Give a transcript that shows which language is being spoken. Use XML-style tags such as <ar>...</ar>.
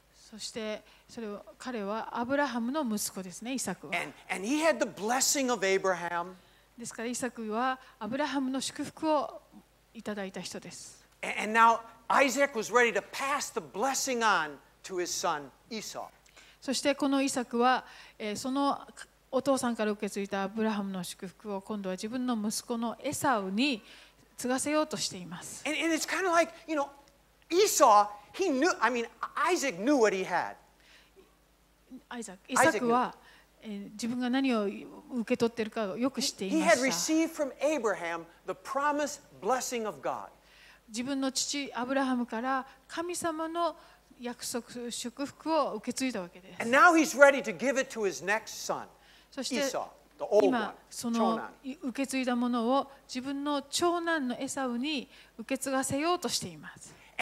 <ja>そしてそれを彼はアブラハムの息子ですね、イサクは。</ja> <en>And he had the blessing of Abraham.</en> <ja>ですからイサクはアブラハムの祝福をいただいた人です。</ja> <en>And now Isaac was ready to pass the blessing on to his son Esau.</en> <ja>そしてこのイサクは、そのお父さんから受け継いだアブラハムの祝福を今度は自分の息子のエサウに継がせようとしています。</ja> <en>and it's kind of like, you know, Esau, he knew, I mean, Isaac knew what he had.</en> <ja>Isaac は自分が何を受け取っているかをよく知っていました。</ja> <en>He had received from Abraham the promised blessing of God.</en> <ja>自分の父アブラハムから神様の約束祝福を受け継いだわけです。</ja> <en>And now he's ready to give it to his next son, Esau.</en> <ja>今その受け継いだものを自分の長男のエサウに受け継がせようとしています。</ja>